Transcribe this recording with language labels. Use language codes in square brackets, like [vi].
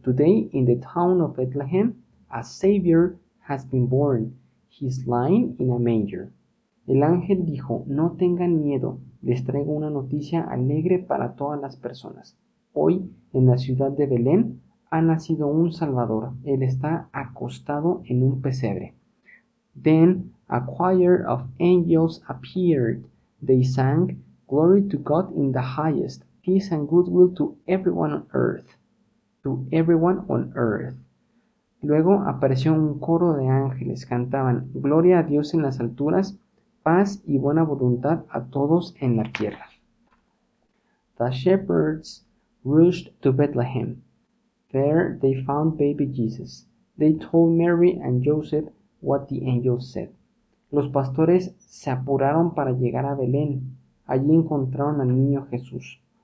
[en] Today, in the town of Bethlehem, a Savior has been born. He is lying in a manger." [es] El ángel dijo, "No tengan miedo. Les traigo una noticia alegre para todas las personas. Hoy, en la ciudad de Belén, ha nacido un Salvador. Él está acostado en un pesebre." [en] Then a choir of angels appeared. They sang, "Glory to God in the highest, peace and goodwill to everyone on earth." To everyone on earth. [es] Luego apareció un coro de ángeles. Cantaban, "Gloria a Dios en las alturas, paz y buena voluntad a todos en la tierra." [en] The shepherds rushed to Bethlehem. There they found baby Jesus. They told Mary and Joseph what the angels said. [es] Los pastores se apuraron para llegar a Belén. Allí encontraron al niño Jesús.